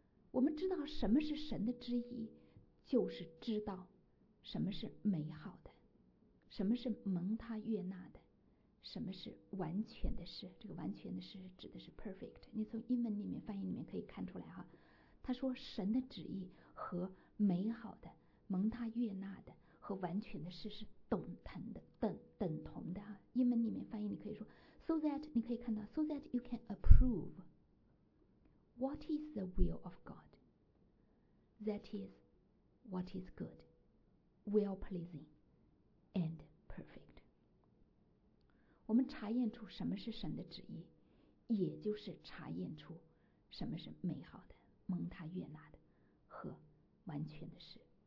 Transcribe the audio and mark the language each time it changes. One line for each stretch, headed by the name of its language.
Chinese: 我们知道什么是神的旨意，就是知道什么是美好的，什么是蒙他悦纳的，什么是完全的事。这个完全的事指的是 perfect， 你从英文里面翻译里面可以看出来哈。他说神的旨意和美好的蒙他悦纳的和完全的事是等同的，等同的啊。英文里面翻译你可以说
English: so that，
Chinese: 你可以看到
English: so that you can approve what is the will of God， that is what is good， well pleasing and perfect。
Chinese: 我们查验出什么是神的旨意，也就是查验出什么是美好的蒙他悦纳的和完全的事。